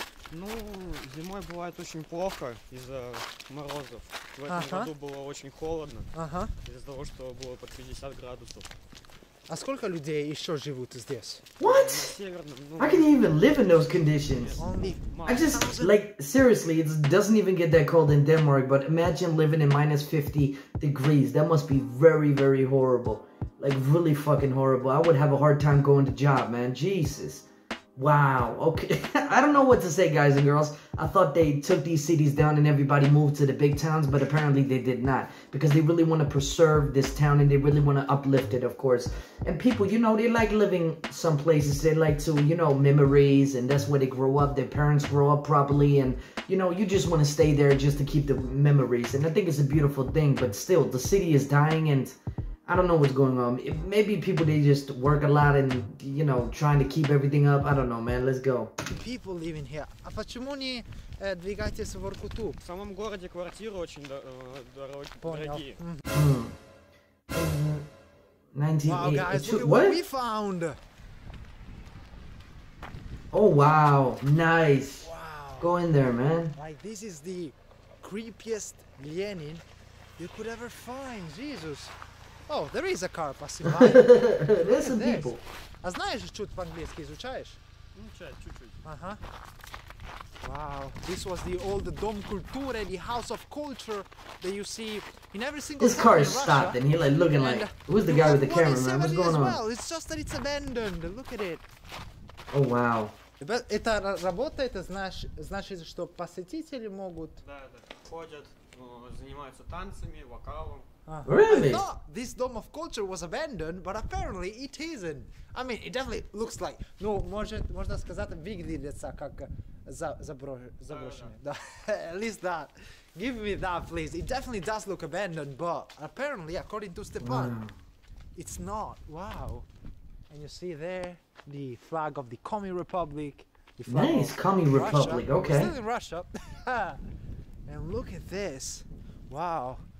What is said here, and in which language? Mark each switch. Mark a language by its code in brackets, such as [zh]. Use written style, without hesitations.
[ru] Ну, зимой бывает очень плохо из-за морозов. В этом году было очень холодно. Ага. Из-за того, что было под 50 градусов. А сколько людей еще живут здесь? [en] What? How can you even live in those conditions? I just, like, seriously, it doesn't even get that cold in Denmark, but imagine living in minus 50 degrees. That must be very, very horrible. Like, really fucking horrible. I would have a hard time going to job, man. Jesus. Wow. Okay. I don't know what to say, guys and girls. I thought they took these cities down and everybody moved to the big towns, but apparently they did not. Because they really want to preserve this town and they really want to uplift it, of course. And people, you know, they like living some places. They like to, you know, memories, and that's where they grow up. Their parents grow up properly. And, you know, you just want to stay there just to keep the memories. And I think it's a beautiful thing. But still, the city is dying and I don't know what's going on. Maybe people, they just work a lot and, you know, trying to keep everything up. I don't know, man. Let's go. People living here. [ru] А почему не двигаетесь в Воркуту? В самом городе квартиры очень дорогие. Понял. [en] Wow, guys, what we found. Oh, wow. Nice. Wow. Go in there, man. Like, this is the creepiest Lenin you could ever find. Jesus. О, oh, there is a car passing by. There's some people. [ru] А знаешь, чуть по-английски изучаешь? Ну, чуть-чуть. Ага. [en] Wow, this was the old Dom Kultura, the house of culture that you see in every single This car is Russia. Stopped and he like looking and like, who's the guy with the camera, man? What's going well? On? It's just that it's abandoned. Look at it. Oh, wow. [ru] Это работает, значит, что посетители могут... Да, да, ходят, занимаются танцами, вокалом. [en] Really? I thought this Dome of Culture was abandoned, but apparently it isn't. I mean, it definitely looks like... [ru] Ну, может, можно сказать, выглядится как заброшенный. [en] Да. At least that. Give me that, please. It definitely does look abandoned, but apparently, according to Stepan, it's not. Wow. And you see there, the flag of the Komi Republic. The flag nice, Komi Republic, okay. Still in Russia. And look at this. Wow.